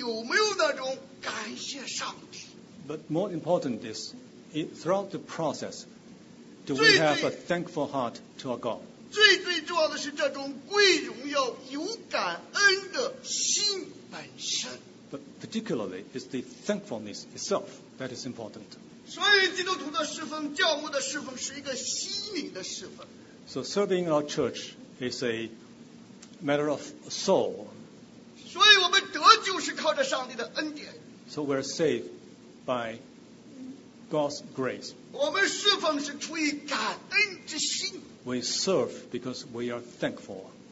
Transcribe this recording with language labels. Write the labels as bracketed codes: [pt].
[zh] 关键是在我们的过程中有没有那种感谢上帝。 [en] But more important is, throughout the process, do we have a thankful heart to our God? [zh] 最重要的是这种贵荣耀有感恩的心本身。 [en] But particularly, it's the thankfulness itself that is important. [zh] 所以基督徒的侍奉，教牧的侍奉是一个心灵的侍奉。 [en] So serving our church is a matter of soul. [zh] 所以我们得救是靠着上帝的恩典。 [en] So we're saved by God's grace. [zh] 我们侍奉是出于感恩之心。 [en] We serve because we are thankful.